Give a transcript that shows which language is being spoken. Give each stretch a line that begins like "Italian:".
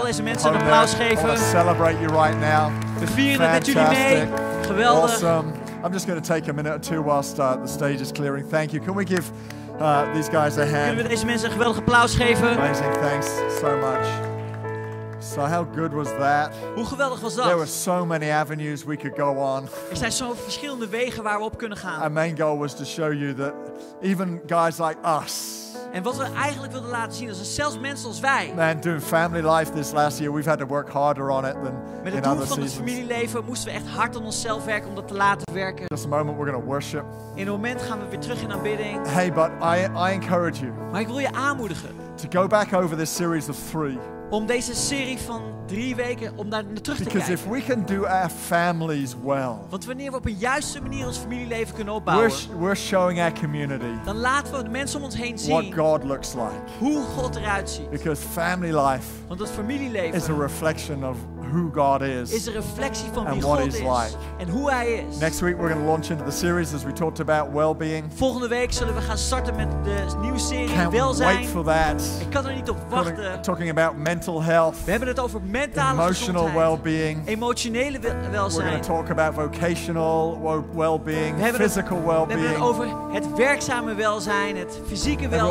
Dutch: Kunnen we al deze mensen een applaus geven?
English: I want to celebrate you right now.
Dutch: We vieren met jullie mee. Geweldig.
English: Awesome. I'm just going to take a minute or two whilst the stage is clearing. Thank you. Can we give these guys a hand?
Dutch: Kunnen we deze mensen een geweldig applaus geven?
English: Amazing. Thanks so much. So how good was that?
Dutch: Hoe geweldig was dat?
English: There were so many avenues we could go on.
Dutch: Er zijn zo verschillende wegen waar we op kunnen gaan.
English: Our main goal was to show you that even guys like us.
Dutch: En wat we eigenlijk wilden laten zien is dat zelfs mensen als wij.
English: Man, doing family life this last year, we've had to work harder on it than in other seasons.
Dutch: Met het doel van het familieleven moesten we echt hard aan onszelf werken om dat te laten werken.
English: Just a moment, we're going to worship.
Dutch: In een moment gaan we weer terug in aanbidding.
English: Hey, but I encourage you.
Dutch: Maar ik wil je aanmoedigen.
English: To go back over this series of three.
Dutch: Om deze serie van 3 weken om daar naar terug te
English: Because
Dutch: kijken.
English: If we can do our families well,
Dutch: want wanneer we op een juiste manier ons familieleven kunnen opbouwen,
English: we're showing our community,
Dutch: dan laten we de mensen om ons heen zien
English: what God looks like.
Dutch: Hoe God eruit ziet.
English: Because family life,
Dutch: want het familieleven
English: is a reflection of who God is,
Dutch: is een reflectie van wie
English: and
Dutch: God
English: what
Dutch: is
English: he's like.
Dutch: En hoe hij is.
English: Next week we're going to launch into the series as we talked about well-being.
Dutch: Volgende week zullen we gaan starten met de nieuwe serie
English: Can't
Dutch: welzijn.
English: Wait for that.
Dutch: Ik kan er niet op wachten.
English: Talking about mental health.
Dutch: We hebben het over mentale
English: emotional well-being.
Dutch: Emotionele welzijn.
English: We're going to talk about vocational well-being, physical well-being.
Dutch: We hebben het over het werkzame welzijn, het fysieke welzijn.